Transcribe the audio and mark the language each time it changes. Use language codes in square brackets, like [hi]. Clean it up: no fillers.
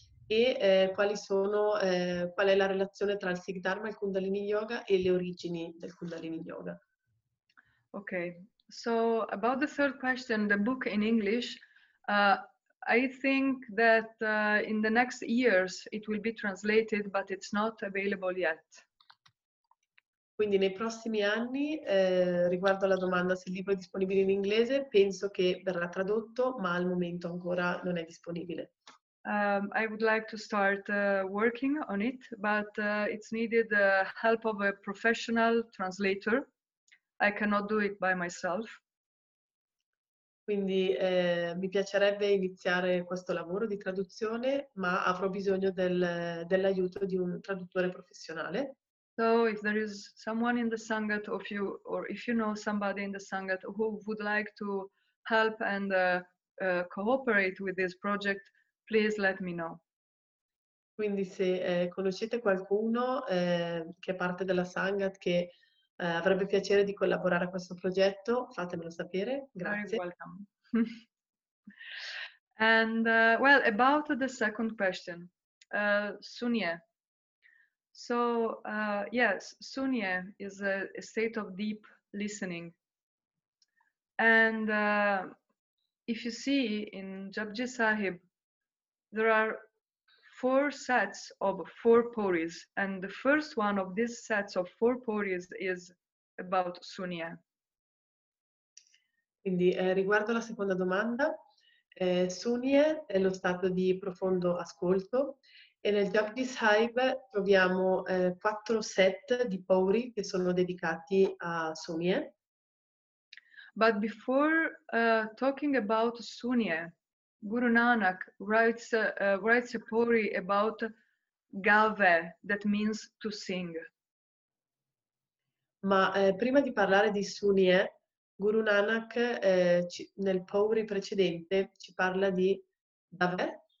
[it] E qual è la relazione tra il Sikh Dharma, il Kundalini Yoga e le origini del Kundalini Yoga? [en] Okay, so about the third question, the book in English, I think that in the next years it will be translated, but it's not available yet. [it] Quindi nei prossimi anni, riguardo alla domanda se il libro è disponibile in inglese, penso che verrà tradotto, ma al momento ancora non è disponibile. [en] I would like to start working on it, but it's needed the help of a professional translator. I cannot do it by myself. [it] Quindi mi piacerebbe iniziare questo lavoro di traduzione, ma avrò bisogno dell'aiuto di un traduttore professionale. [en] So if there is someone in the Sangat of you, or if you know somebody in the Sangat who would like to help and cooperate with this project, please let me know. [it] Quindi se conoscete qualcuno che è parte della Sangat che avrebbe piacere di collaborare a questo progetto, fatemelo sapere. Grazie. [en] You're welcome. And well, about the second question, Sunye. So yes, Sunye is a state of deep listening. And if you see in Japji Sahib, there are four sets of four puris, and the first one of these sets of four puris is about Sunye. [it] Quindi riguardo la seconda domanda, Sunye è lo stato di profondo ascolto e nel Japji Sahib troviamo quattro set di puri che sono dedicati a Sunye. [en] But before talking about Sunye, Guru Nanak writes a puri about gave, that means to sing. [it] Ma prima di parlare di Sunye, Guru Nanak nel puri precedente ci parla di gave.